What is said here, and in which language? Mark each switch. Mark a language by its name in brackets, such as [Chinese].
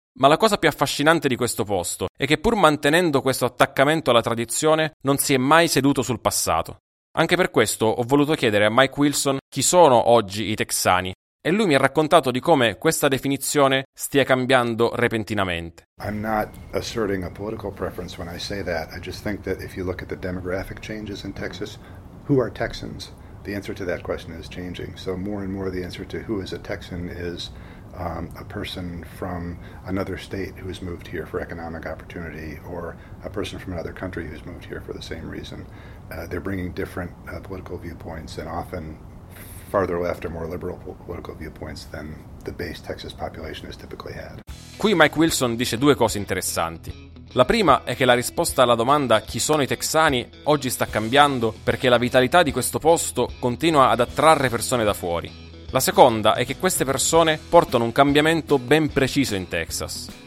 [Italian] Ma la cosa più affascinante di questo posto è che pur mantenendo questo attaccamento alla tradizione, non si è mai seduto sul passato. Anche per questo ho voluto chiedere a Mike Wilson chi sono oggi i texani, e lui mi ha raccontato di come questa definizione stia cambiando repentinamente. [English] I'm not asserting a political preference when I say that. I just think that if you look at the demographic changes in Texas, who are Texans? the answer to that question is changing. So more and more the answer to who is a Texan is a person from another state who has moved here for economic opportunity, or a person from another country who's moved here for the same reason. They're bringing different political viewpoints, and often farther left or more liberal political viewpoints than the base Texas population has typically had. [Italian] Qui Mike Wilson dice due cose interessanti. La prima è che la risposta alla domanda chi sono i texani oggi sta cambiando perché la vitalità di questo posto continua ad attrarre persone da fuori. La seconda è che queste persone portano un cambiamento ben preciso in Texas.